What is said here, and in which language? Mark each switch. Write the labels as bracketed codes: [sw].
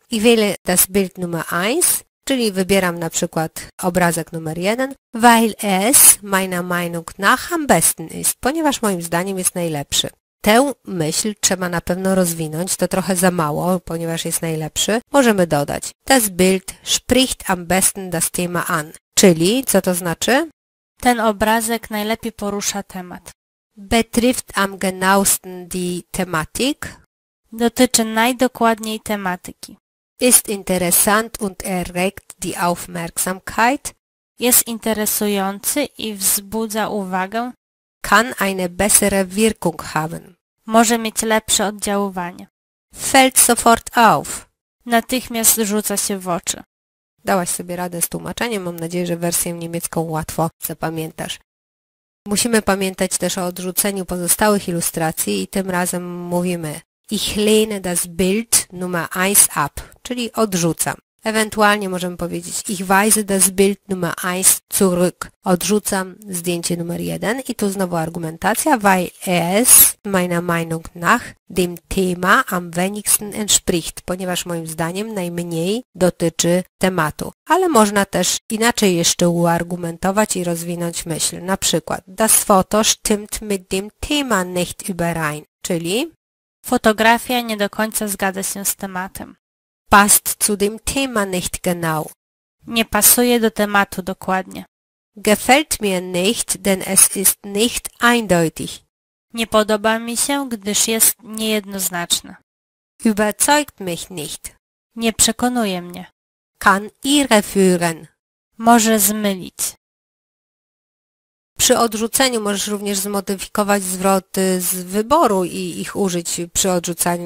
[de] Ich wähle das Bild Nummer 1, [pl] czyli wybieram na przykład obrazek numer 1, [de] weil es meiner Meinung nach am besten ist, [pl] ponieważ moim zdaniem jest najlepszy. Tę myśl trzeba na pewno rozwinąć, to trochę za mało, ponieważ jest najlepszy. Możemy dodać, [de] das Bild spricht am besten das Thema an, [pl] czyli co to znaczy? Ten obrazek najlepiej porusza temat. [de] Betrifft am genauesten die Thematik. [pl] Dotyczy najdokładniej tematyki. [de] Ist interessant und erregt die Aufmerksamkeit. [pl] Jest interesujący i wzbudza uwagę. [de] Kann eine bessere Wirkung haben. [pl] Może mieć lepsze oddziaływanie. [de] Fällt sofort auf. [pl] Natychmiast rzuca się w oczy. Dałaś sobie radę z tłumaczeniem, mam nadzieję, że wersję niemiecką łatwo zapamiętasz. Musimy pamiętać też o odrzuceniu pozostałych ilustracji i tym razem mówimy [de] Ich lehne das Bild Nummer 1 ab, [pl] czyli odrzucam. Ewentualnie możemy powiedzieć [de] Ich weise das Bild Nummer 1 zurück, [pl] odrzucam zdjęcie numer 1 i tu znowu argumentacja, [de] weil es meiner Meinung nach dem Thema am wenigsten entspricht, [pl] ponieważ moim zdaniem najmniej dotyczy tematu. Ale można też inaczej jeszcze uargumentować i rozwinąć myśl. Na przykład [de] Das Foto stimmt mit dem Thema nicht überein, [pl] czyli fotografia nie do końca zgadza się z tematem. [de] Passt zu dem Thema nicht genau. [pl] Nie pasuje do tematu dokładnie. [de] Gefällt mir nicht, denn es ist nicht eindeutig. [pl] Nie podoba mi się, gdyż jest niejednoznaczne. [de] Überzeugt mich nicht. [pl] Nie przekonuje mnie. [de] Kann irreführen. [pl] Może zmylić. Przy odrzuceniu możesz również zmodyfikować zwroty z wyboru i ich użyć przy odrzucaniu.